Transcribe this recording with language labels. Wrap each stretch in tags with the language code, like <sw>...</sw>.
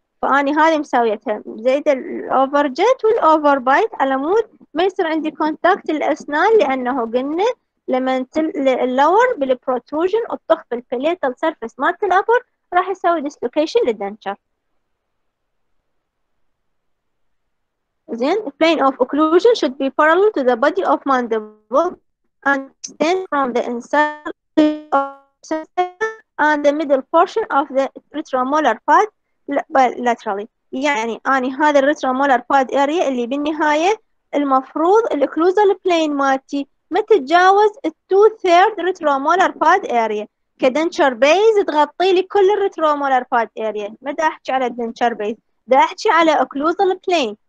<ar>فأني هذه مساويتها زايدة الأوفر جيت والأوفر بايت على مود ما يصير عندي كونتاكت الأسنان، لأنه قلنا لما اللور بالبروتروجن الطخ بالباليتال سيرفيس مالت الأبر راح يسوي ديسلوكيشن للدنشر.</ar> <en>زين plane of occlusion should be parallel to the body of mandible and extend from the inside of and the middle portion of the retromolar pad laterally.</en> <ar>يعني أنا هذا الريترومولار باد اريا اللي بالنهاية المفروض الاكلوزال بلين ماتي ما تتجاوز التو ثيرد ريترومولار باد اريا، كدنشر بيز تغطي لي كل الريترومولار باد اريا، ما دا احكي على الدنشر بيز، دا احكي على اكلوزال بلين.</ar>